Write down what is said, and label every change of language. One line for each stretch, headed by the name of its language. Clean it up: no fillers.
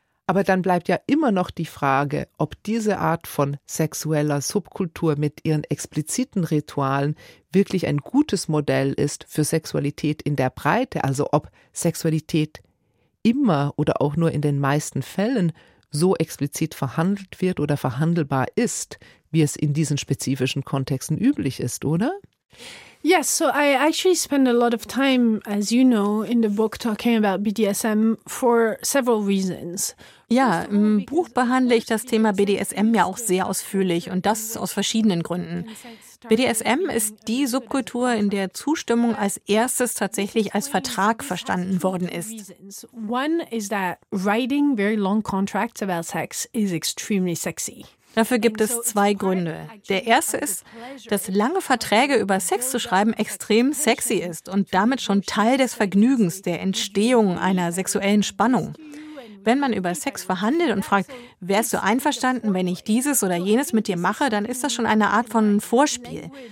German: Aber dann bleibt ja immer noch die Frage, ob diese Art von sexueller Subkultur mit ihren expliziten Ritualen wirklich ein gutes Modell ist für Sexualität in der Breite, also ob Sexualität immer oder auch nur in den meisten Fällen so explizit verhandelt wird oder verhandelbar ist, wie es in diesen spezifischen Kontexten üblich ist, oder?
English: Yes, so I actually spend a lot of time, as you know, in the book talking about BDSM for several reasons.
German: Ja, im Buch behandle ich das Thema BDSM ja auch sehr ausführlich und das aus verschiedenen Gründen. BDSM ist die Subkultur, in der Zustimmung als erstes tatsächlich als Vertrag verstanden worden ist.
English: One is that writing very long contracts about sex is extremely sexy.
German: Dafür gibt es zwei Gründe. Der erste ist, dass lange Verträge über Sex zu schreiben extrem sexy ist und damit schon Teil des Vergnügens, der Entstehung einer sexuellen Spannung. Wenn man über Sex verhandelt und fragt, wärst du einverstanden, wenn ich dieses oder jenes mit dir mache, dann ist das schon eine Art von Vorspiel.